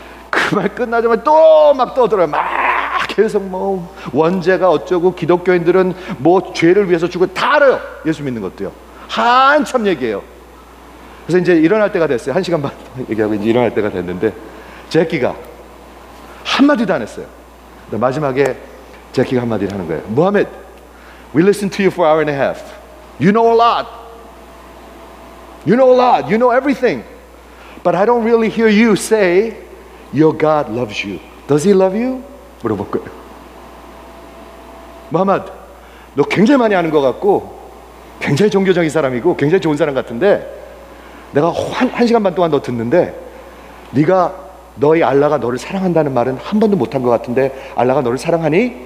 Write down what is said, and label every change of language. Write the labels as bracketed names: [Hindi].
[Korean] 그 말 끝나자마자 또 막 떠들어요. 막 계속 뭐 원죄가 어쩌고 기독교인들은 뭐 죄를 위해서 죽고 다 알아요. 예수 믿는 것도요. 한참 얘기해요. 그래서 이제 일어날 때가 됐어요. 한 시간 반 얘기하고 이제 일어날 때가 됐는데 제키가 한마디도 안 했어요. 마지막에 제키가 한마디를 하는 거예요. [English] Muhammad, we listen to you for hour and a half. You know a lot. You know a lot. You know everything. But I don't really hear you say your God loves you. Does he love you? [Korean] 물어볼 거예요. Muhammad, 너 굉장히 많이 아는 것 같고 굉장히 종교적인 사람이고 굉장히 좋은 사람 같은데 내가 한 시간 반 동안 너 듣는데 네가 너희 알라가 너를 사랑한다는 말은 한 번도 못한 것 같은데 알라가 너를 사랑하니?